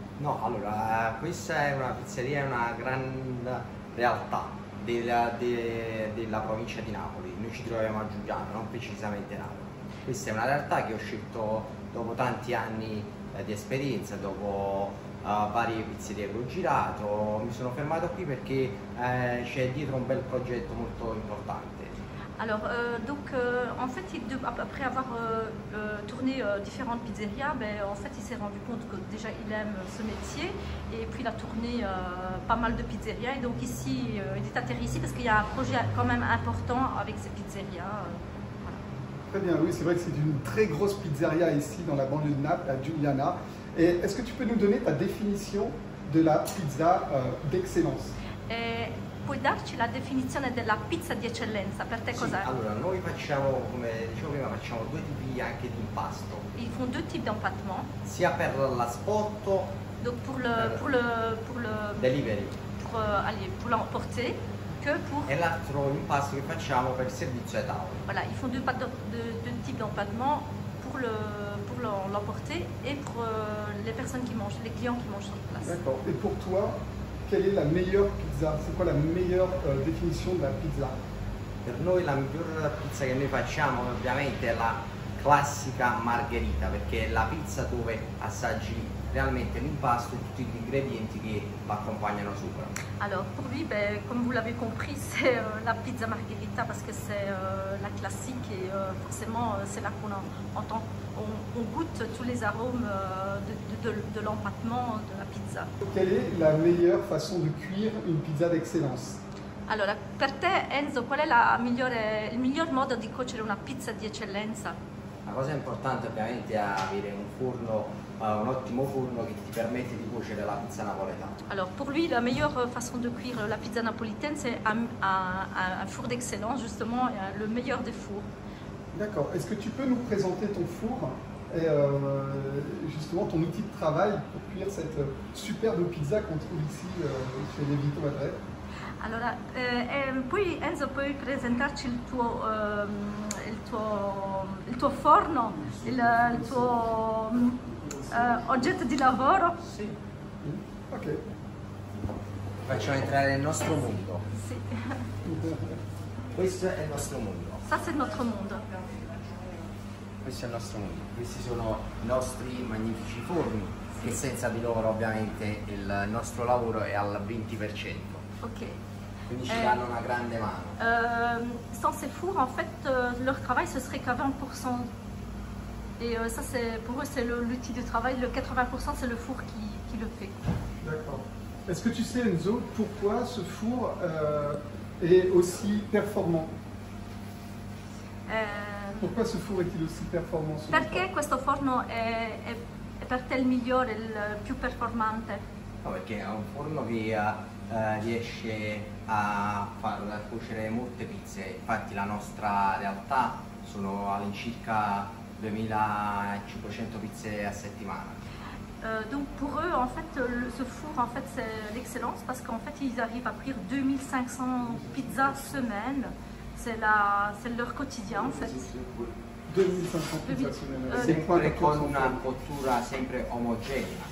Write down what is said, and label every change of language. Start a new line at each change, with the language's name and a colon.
Italian: No, allora, questa è una pizzeria, è una grande realtà della provincia di Napoli. Noi ci troviamo a Giugiano, non precisamente Napoli. Questa è una realtà che ho scelto dopo tanti anni di esperienza, dopo varie pizzerie che ho girato, mi sono fermato qui perché c'è dietro un bel progetto molto importante.
French: Alors, en fait, après avoir tourné différentes pizzerias, ben, en fait, il s'est rendu compte que déjà il aime ce métier et puis il a tourné pas mal de pizzerias et donc ici, il est atterri ici parce qu'il y a un projet quand même important avec ces pizzerias. Très bien, oui, c'est vrai que c'est une très grosse pizzeria ici dans la banlieue de Naples, à Giugiano. Et est-ce que tu peux nous donner ta définition de la pizza d'excellence?
Italian: Puoi darci la definizione della pizza di eccellenza? Per te sì, cos'è? Allora, noi facciamo, come dicevo prima, facciamo due tipi anche di impasto.
French: Ils font deux types d'empattement.
Italian: Sia per l'asporto.
French: Donc pour le, pour le, pour le
English: delivery.
French: Pour l'emporter.
Italian: E l'altro impasto che facciamo per il servizio a tavola.
French: Voilà, ils font deux types d'empattement. Pour l'emporter et pour les personnes qui mangent, les clients qui mangent sur place. D'accord. Et pour toi, quelle est la meilleure pizza? C'est quoi la meilleure définition de la pizza?
Italian: Per noi la migliore pizza che noi facciamo ovviamente è la classica margherita, perché è la pizza dove assaggi realmente l'impasto e tutti gli ingredienti che l'accompagnano sopra.
French: Alors pour lui, ben, comme vous l'avez compris, c'est la pizza margherita parce que c'est la classique et forcément c'est là qu'on entend, on goûte tous les arômes de l'empattement de la pizza. Quelle est la meilleure façon de cuire une pizza d'excellence? Alors pour toi, Enzo, quel est le meilleur mode de cuire une pizza d'eccellenza?
Italian: La cosa importante ovviamente è avere un forno, un ottimo forno che ti permette di cuocere la pizza napoletana.
French: Alors pour lui la meilleure façon de cuire la pizza napolitaine c'est un four d'excellence justement, le meilleur des fours. D'accord, est-ce que tu peux nous présenter ton four et justement ton outil de travail pour cuire cette superbe pizza qu'on trouve ici chez Lievito Madre?
Italian: Allora, poi Enzo puoi presentarci il tuo forno, il tuo oggetto di lavoro? Sì. Ok. Facciamo entrare nel nostro mondo. Sì. Questo è il nostro mondo. Questo è il nostro mondo. Questo è il nostro mondo. Questi sono i nostri magnifici forni, che senza di loro ovviamente il nostro lavoro è al 20%. Ok. Quindi ci danno una grande mano.
French: Sans ces fours, en fait, leur travail ce serait qu'à 20%. Et ça, c'est pour eux, c'est l'outil de travail. Le 80%, c'est le four qui le fait. D'accord. Est-ce que tu sais, Enzo, pourquoi ce four est aussi performant? Pourquoi ce four est-il aussi performant?
Italian: Perché questo forno è per te il migliore, il più performante? No, perché è un forno che riesce a far cuocere molte pizze, infatti la nostra realtà sono all'incirca 2500 pizze a settimana.
French: Donc pour eux, en fait, ce four, en fait, c'est l'excellence parce qu'en fait, ils arrivent à cuire 2500 pizzas semaine. C'est leur quotidien, en fait. 2500 pizzas semaine. C'est quoi la cuisson homogène.